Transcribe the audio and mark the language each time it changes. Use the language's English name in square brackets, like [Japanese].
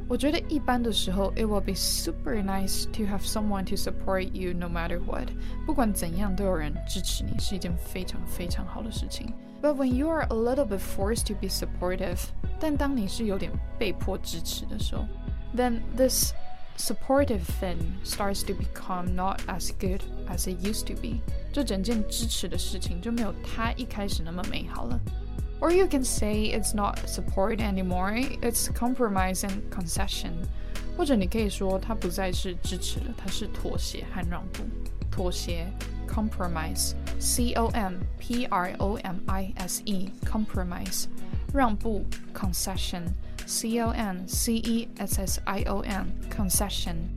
[Chinese] 我觉得一般的时候 [English] it will be super nice to have someone to support you no matter what. [Chinese] 不管怎样都有人支持你是一件非常非常好的事情。 [English] But when you are a little bit forced to be supportive, [Chinese] 但当你是有点被迫支持的时候， [English] then this supportive thing starts to become not as good as it used to be. [Chinese] 这整件支持的事情就没有它一开始那么美好了。 [English] Or you can say it's not support anymore, it's compromise and concession. [Chinese] 或者你可以说它不再是支持了，它是妥协和让步。 [English] 妥协 ,compromise, C-O-M-P-R-O-M-I-S-E, compromise. 让步 ,concession, C-O-N-C-E-S-S-I-O-N, concession.